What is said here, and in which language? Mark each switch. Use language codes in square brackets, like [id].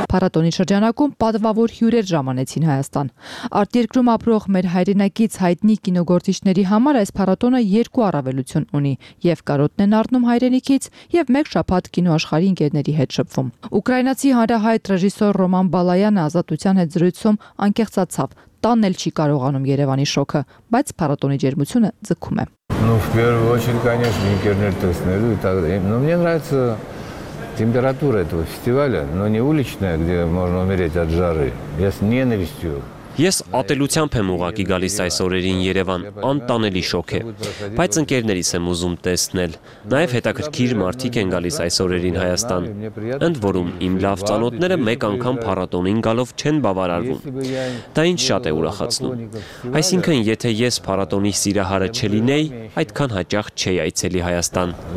[hy] Փառատոնի շրջանակում պատվավոր հյուրեր ժամանեցին Հայաստան։ Արտերկրում ապրող մեր հայրենակից հայտնի կինոգործիչների համար այս փառատոնը երկու առավելություն ունի՝ եւ կարոտնեն առնում հայրենիքից, եւ մեկ շաբաթ կինոաշխարհի ընկերների հետ շփվում։ Ուկրաինացի հանրահայտ ռեժիսոր Ռոման Բալայանը ազատության հետ զրույցում անկեղծացավ. Տանն էլ չի կարողանում Երևանի շոքը, բայց փառատոնի ջերմությունը ձգում է։ [ru] Ну, в первую очередь, конечно, инкернер тесный, и так далее. Но мне нравится температура этого фестиваля, но не уличная, где можно умереть от жары. Я с ненавистью. [hy] Ես ատելությամբ եմ ուղակի գալիս այս օրերին Երևան, անտանելի շոք է, բայց ընկերներիս եմ ուզում տեսնել, նաև հետաքրքիր մարդիկ են գալիս այս օրերին Հայաստան, ընդ որում իմ լավ ծանոթները մեկ անգամ փառատոնին գալով չեն բավարարվում, դա ինձ շատ է ուրախացնում, այսինքն եթե ես փառատոնի սիրահարը չլինեի, այդքան հաճախ չէի այցելի Հայաստան։